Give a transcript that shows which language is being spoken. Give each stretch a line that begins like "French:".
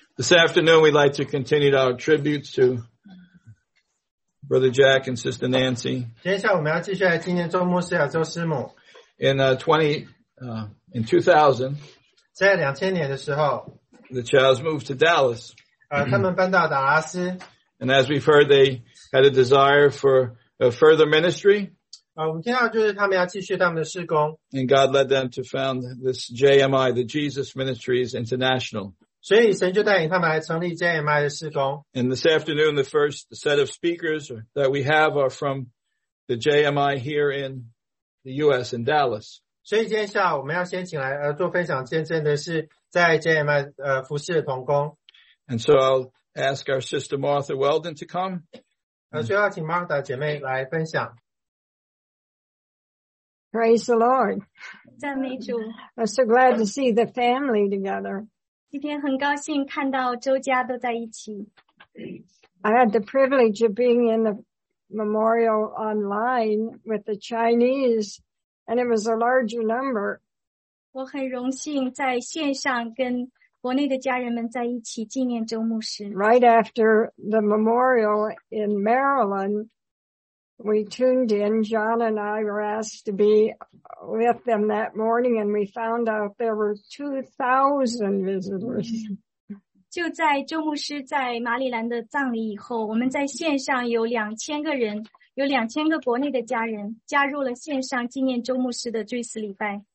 English: This afternoon, we'd like to continue our tributes to Brother Jack and Sister Nancy.
Chinese: 接下来我们要继续来纪念周牧师和周师母。
English: In 2000,
Chinese: 在2000年的时候
English: the Childs moved to Dallas.
Chinese: 他们搬到达拉斯。
English: And as we've heard, they had a desire for a further ministry.
Chinese: 我们听到就是他们要继续他们的事工。
English: And God led them to found this JMI, the Jesus Ministries International.
Chinese: 所以神就带领他们来成立 JMI 的事工。
English: And this afternoon, the first set of speakers that we have are from the JMI here in the U.S. in Dallas.
Chinese: 所以今天下午我们要先请来做分享见证的是在 JMI 服事的同工。
English: And so I'll ask our sister Martha Weldon to come.
Chinese: 所以要请 Martha 姐妹来分享。
English: Praise the Lord.
Chinese: 赞美主。
English: I'm so glad to see the family together.
Chinese: 今天很高兴看到周家都在一起。
English: I had the privilege of being in the memorial online with the Chinese, and it was a larger number.
Chinese: 我很荣幸在线上跟国内的家人们在一起纪念周牧师。
English: Right after the memorial in Maryland, we tuned in. John and I were asked to be with them that morning, and we found out there were 2,000 visitors.
Chinese: 就在周牧师在马里兰的葬礼以后，我们在线上有2000个人，有2000个国内的家人加入了线上纪念周牧师的追思礼拜。